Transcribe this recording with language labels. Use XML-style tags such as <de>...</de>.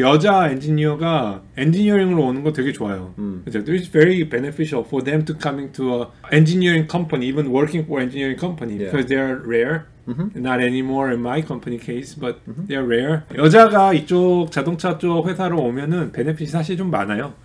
<ko>여자 엔지니어가 엔지니어링으로 오는 거 되게 좋아요.</ko> <en>It's very beneficial for them to coming to a engineering company, even working for engineering company, because they are rare. Mm-hmm. Not anymore in my company case, but they are rare.</en> <ko>여자가 이쪽 자동차 쪽 회사로 오면은 베네핏이 사실 좀 많아요.</ko>